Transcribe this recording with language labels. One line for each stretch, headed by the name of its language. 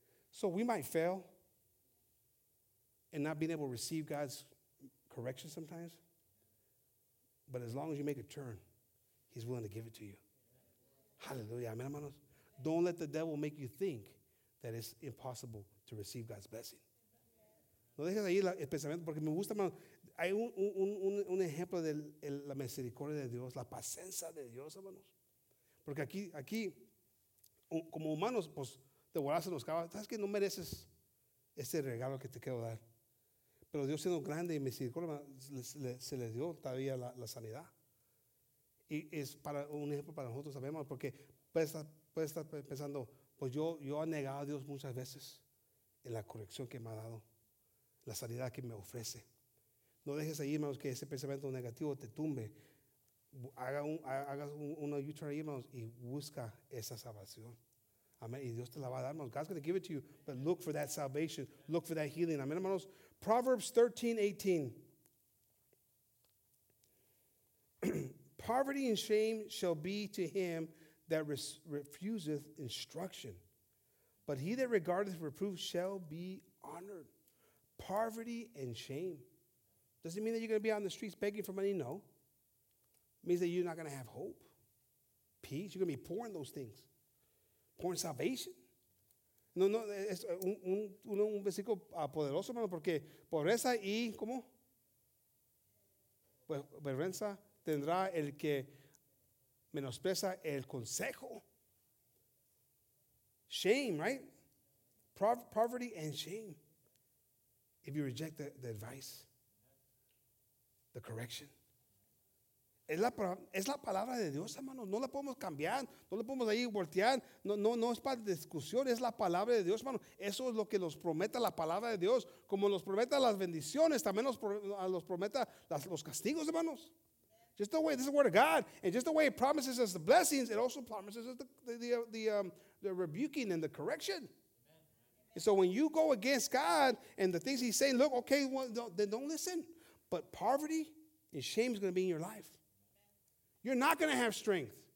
English: So we might fail and not being able to receive God's correction sometimes. But as long as you make a turn, he's willing to give it to you. Hallelujah. Amen, hermanos. Don't let the devil make you think that it's impossible to receive God's blessing.
Spanish: No dejes ahí el pensamiento, porque me gusta, hermanos. Hay un ejemplo de la misericordia de Dios, la paciencia de Dios, hermanos. Porque aquí como humanos, pues, te volaste en los cabos. Sabes que no mereces ese regalo que te quiero dar. Pero Dios, siendo grande y misericordioso, se le dio todavía la sanidad. Y es para un ejemplo para nosotros también, hermano, porque puede estar pensando, pues yo he negado a Dios muchas veces en la corrección que me ha dado, la sanidad que me ofrece. No dejes ahí, hermanos, que ese pensamiento negativo te tumbe. Haga una U-turn ahí, hermanos, y busca esa salvación. Amen. Y Dios te la va a dar, hermanos.
English: God's going to give it to you, but look for that salvation. Look for that healing. Amen, hermanos. Proverbs 13:18. Poverty and shame shall be to him that refuseth instruction, but he that regardeth reproof shall be honored. Poverty and shame. Does it mean that you're going to be on the streets begging for money? No. It means that you're not going to have hope, peace. You're going to be poor in those things.
Spanish: Por salvación. No, es un versículo poderoso, hermano, porque pobreza y, ¿cómo? Pues vergüenza tendrá el que menospreza el consejo.
English: Shame, right? Poverty and shame. If you reject the advice, the correction.
Spanish: Es la palabra de Dios, hermano. No la podemos cambiar. No la podemos ahí voltear. No es para discusión. Es la palabra de Dios, hermano. Eso es lo que nos promete la palabra de Dios. Como nos promete las bendiciones, también nos promete los castigos, hermanos.
English: Just the way, this is the word of God. And just the way it promises us the blessings, it also promises us the rebuking and the correction. Amen. And so when you go against God and the things he's saying, look, okay, well, then don't listen. But poverty and shame is going to be in your life. You're not going to have strength.